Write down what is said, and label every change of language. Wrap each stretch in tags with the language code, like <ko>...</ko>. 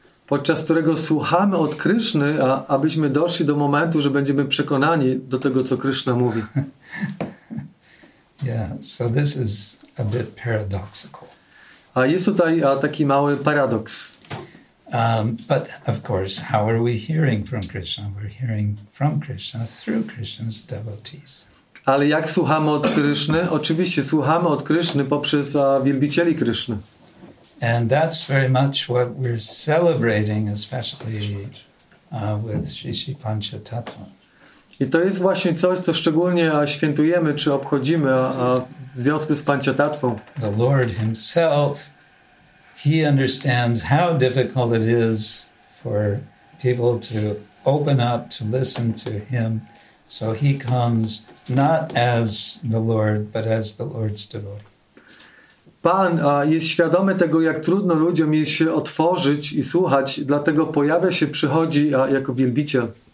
<pl>Podczas którego słuchamy od Kryszny, abyśmy doszli do momentu, że będziemy przekonani do tego, co Kryszna mówi.</pl> <en>Yeah, so this is a bit paradoxical.</en> <pl>A jest tutaj taki mały paradoks.</pl> <en>But of course, how are we hearing from Krishna? We're hearing from Krishna through Krishna's devotees.</en> <pl>Ale jak słuchamy od Kryszny? Oczywiście słuchamy od Kryszny poprzez wielbicieli Kryszny.</pl> <en>And that's very much what we're celebrating, especially with Shishi Pancha Tattva.</en> <pl>I to jest właśnie coś, co szczególnie świętujemy, czy obchodzimy w związku z Pancha Tattvą.</pl> <en>The Lord himself, he understands how difficult it is for people to open up, to listen to him. So he comes not as the Lord, but as the Lord's devotee.</en> <pl>Pan jest świadomy tego, jak trudno ludziom jest się otworzyć i słuchać, dlatego pojawia się, przychodzi jako wielbiciel.</pl>